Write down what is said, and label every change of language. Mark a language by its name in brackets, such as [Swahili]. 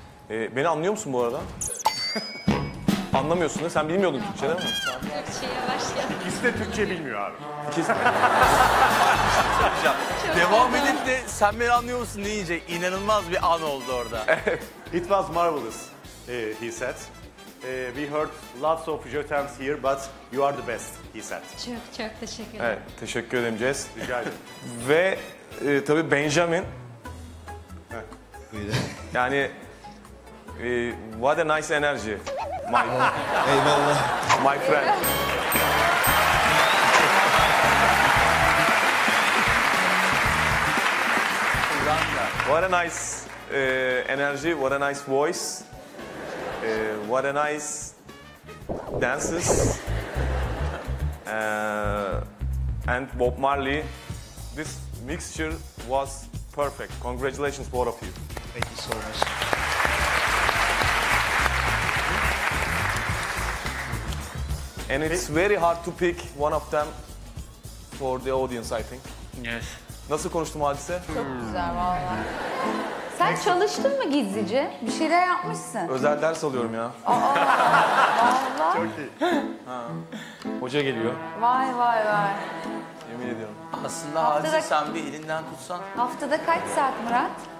[Turkish] Beni anlıyor musun bu arada? Anlamıyorsun da, sen bilmiyordun Türkçe değil mi? Türkçe'ye başlayalım. İkisi de Türkçe bilmiyor abi. İkisi. Devam edip de sen beni anlıyor musun deyince inanılmaz bir an oldu orada. [English] It was marvelous, he said. We heard lots of Jotems here, but you are the best, he said. [Turkish] Çok çok teşekkür ederim. Evet, teşekkür ederim Jess. Rica ederim. Ve tabii Benjamin. [English] Yani, what a nice energy. My, [Turkish] eyvallah. [English] My friend. What a nice energy, what a nice voice. What a nice dances. And Bob Marley, this mixture was perfect. Congratulations, both of you. Thank you so much. And it's very hard to pick one of them for the audience, I think. Yes. [Turkish] Nasıl konuştum Hadise? Çok güzel vallahi. Sen çalıştın mı gizlice? Bir şeyler yapmışsın. Özel ders alıyorum ya. Aa, çok iyi. Hoca geliyor. Vay vay vay. Yemin ediyorum. Aslında Hadise, sen bir elinden tutsan. Haftada kaç saat Murat?